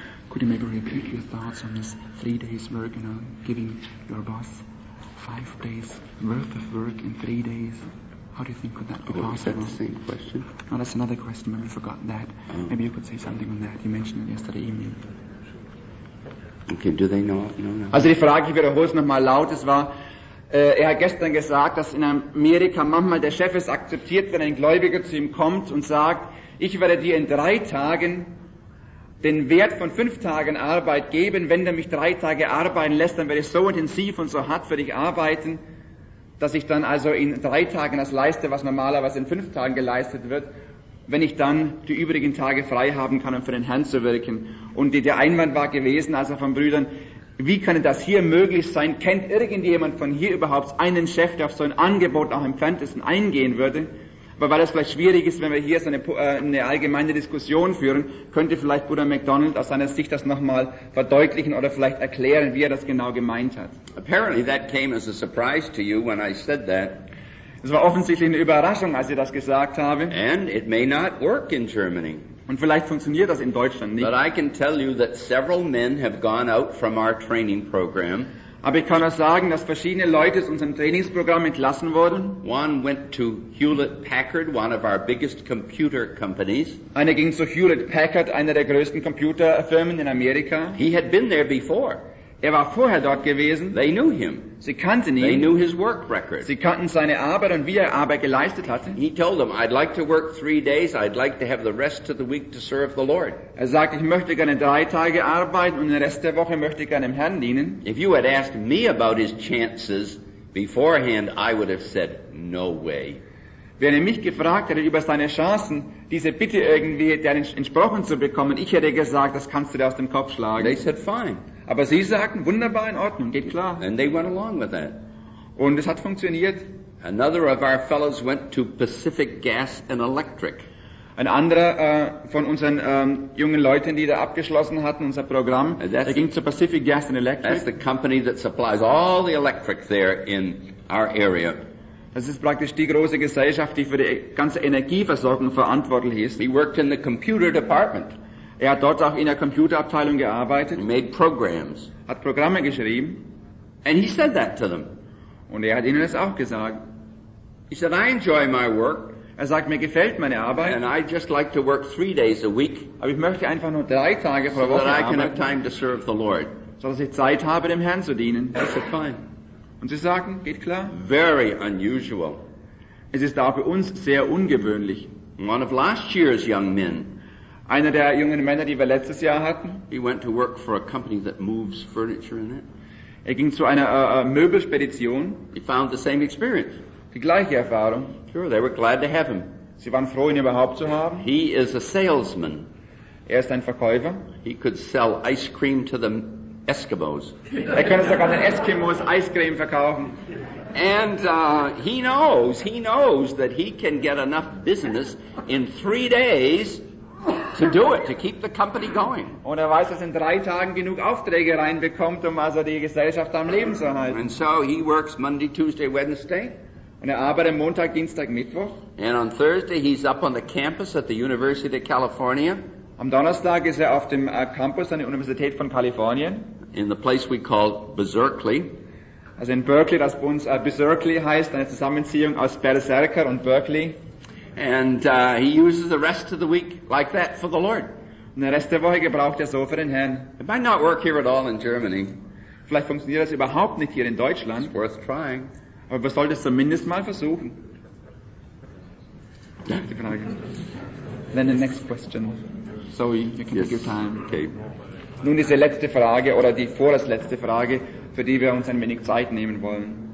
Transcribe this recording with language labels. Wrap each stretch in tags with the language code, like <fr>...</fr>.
<en>Could you maybe repeat your thoughts on this 3 days work, you know, giving your boss 5 days worth of work in 3 days? How do you think could that be possible? Is that the same question? No, that's another question, maybe we forgot that. Oh. Maybe you could say something on that. You mentioned it yesterday evening. Okay, do they know? No, no.</en> <de>Also die Frage, ich wiederhole es nochmal laut, es war, er hat gestern gesagt, dass in Amerika manchmal der Chef es akzeptiert, wenn ein Gläubiger zu ihm kommt und sagt, ich werde dir in 3 Tagen den Wert von 5 Tagen Arbeit geben, wenn du mich 3 Tage arbeiten lässt, dann werde ich so intensiv und so hart für dich arbeiten, dass ich dann also in 3 Tagen das leiste, was normalerweise in 5 Tagen geleistet wird, wenn ich dann die übrigen Tage frei haben kann, um für den Herrn zu wirken. Und der Einwand war gewesen, also von Brüdern, wie kann das hier möglich sein? Kennt irgendjemand von hier überhaupt einen Chef, der auf so ein Angebot auch entferntesten eingehen würde? Aber weil es vielleicht schwierig ist, wenn wir hier so eine allgemeine Diskussion führen, könnte vielleicht Bruder MacDonald aus seiner Sicht das nochmal verdeutlichen oder vielleicht erklären, wie er das genau gemeint hat.</de> <en>Apparently that came as a surprise to you when I said that.</en> <de>Es war offensichtlich eine Überraschung, als ich das gesagt habe.</de> <en>And it may not work in Germany.</en> <de>Und vielleicht funktioniert das in Deutschland nicht.</de> <en>But I can tell you that several men have gone out from our training program.</en> <de>Aber ich kann auch sagen, dass verschiedene Leute aus unserem Trainingsprogramm entlassen wurden.</de> <en>One went to Hewlett-Packard, one of our biggest computer companies.</en> <de>Einer ging zu Hewlett-Packard, einer der größten Computerfirmen in Amerika.</de> <en>He had been there before.</en> <de>Er war vorher dort gewesen.</de> <en>They knew him.</en> <de>Sie kannten ihn.</de> <en>They knew his work record.</en> <de>Sie kannten seine Arbeit und wie er Arbeit geleistet hatte.</de> <en>He told them, I'd like to work 3 days. I'd like to have the rest of the week to serve the Lord.</en> <de>Er sagte, ich möchte gerne 3 Tage arbeiten und den Rest der Woche möchte ich gerne dem Herrn dienen.</de> <en>If you had asked me about his chances beforehand, I would have said, no way.</en> <de>Wenn er mich gefragt hätte über seine Chancen, diese Bitte irgendwie deren entsprochen zu bekommen, ich hätte gesagt, das kannst du dir aus dem Kopf schlagen.</de> <en>They said, fine.</en> <de>Aber sie sagten, wunderbar, in Ordnung, geht klar.</de> <en>And they went along with that.</en> <de>Und es hat funktioniert.</de> <en>Another of our fellows went to Pacific Gas and Electric.</en> <de>Ein anderer von unseren jungen Leuten, die da abgeschlossen hatten, unser Programm, der ging zu Pacific Gas and Electric.</de> <en>That's the company that supplies all the electric there in our area.</en> <de>Das ist praktisch die große Gesellschaft, die für die ganze Energieversorgung verantwortlich ist.</de> <en>He worked in the computer department.</en> <de>Er hat dort auch in der Computerabteilung gearbeitet.</de> <en>Made programs.</en> <de>Hat Programme geschrieben.</de> <en>And he said that to them.</en> <de>Und er hat ihnen das auch gesagt.</de> <en>He said, I enjoy my work. Er sagt, mir gefällt meine Arbeit.</en> <de>And I just like to work 3 days a week.</de> <en>Aber ich möchte einfach nur 3 Tage pro Woche arbeiten.</en> <de>So that I can have time to serve the Lord.</de> <en>So dass ich Zeit habe, dem Herrn zu dienen.</en> <de>I said, fine.</de> <en>Und sie sagen, geht klar?</en> <de>Very unusual.</de> <en>Es ist auch für uns sehr ungewöhnlich.</en> <de>One of last year's young men.</de> <en>Einer der jungen Männer, die wir letztes Jahr hatten.</en> <de>He went to work for a company that moves furniture in it.</de> <en>Er ging zu einer Möbelspedition.</en> <de>He found the same experience.</de> <en>Die gleiche Erfahrung.</en> <de>Sure, they were glad to have him.</de> <en>Sie waren froh, ihn überhaupt zu haben.</en> <de>He is a salesman.</de> <en>Er ist ein Verkäufer.</en> <de>He could sell ice cream to the Eskimos.</de> <en>Er könnte sogar den Eskimos Eiscreme verkaufen.</en> <de>And he knows that he can get enough business in 3 days to do it, to keep the company going.</de> <en>Und er weiß, dass er in 3 Tagen genug Aufträge reinbekommt, um also die Gesellschaft am Leben zu halten.</en> <de>And so he works Monday, Tuesday, Wednesday.</de> <en>Und er arbeitet Montag, Dienstag, Mittwoch.</en> <de>And on Thursday he's up on the campus at the University of California.</de> <en>Am Donnerstag ist er auf dem Campus an der Universität von Kalifornien.</en> <de>In the place we call Berserkly.</de> <en>Also in Berkeley, das bei uns Berserkly heißt, eine Zusammenziehung aus Berserker und Berkeley.</en> <de>And he uses the rest of the week like that for the Lord.</de> <en>Und den Rest der Woche gebraucht er so für den Herrn.</en> <de>It might not work here at all in Germany.</de> <en>Vielleicht funktioniert das überhaupt nicht hier in Deutschland.</en> <de>It's worth trying.</de> <en>Aber wir sollten es zumindest mal versuchen.</en> <de>Die Frage.</de> <en>Then the next question. Zoe, you can yes. take your time. Okay.</en> <de>Nun diese letzte Frage oder die vorletzte Frage, für die wir uns ein wenig Zeit nehmen wollen.</de>